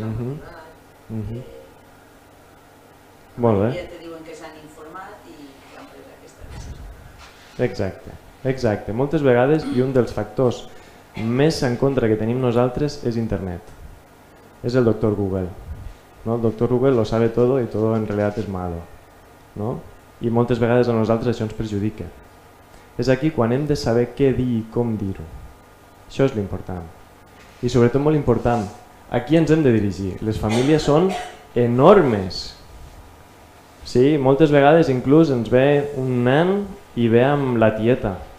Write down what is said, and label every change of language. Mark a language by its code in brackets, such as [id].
[ca] l'autoritat... Molt bé. I ja et diuen que s'han informat i que han pres aquesta decisió. Exacte. Moltes vegades, i un dels factors més en contra que tenim nosaltres és internet. És el doctor Google. No? [es] El doctor Google lo sabe todo y todo en realidad es malo. No? [ca] I moltes vegades a nosaltres això ens perjudica. És aquí quan hem de saber què dir i com dir-ho. Això és l'important. I sobretot molt important, a qui ens hem de dirigir? Les famílies són enormes. Sí? Moltes vegades inclús ens ve un nen i ve amb la tieta.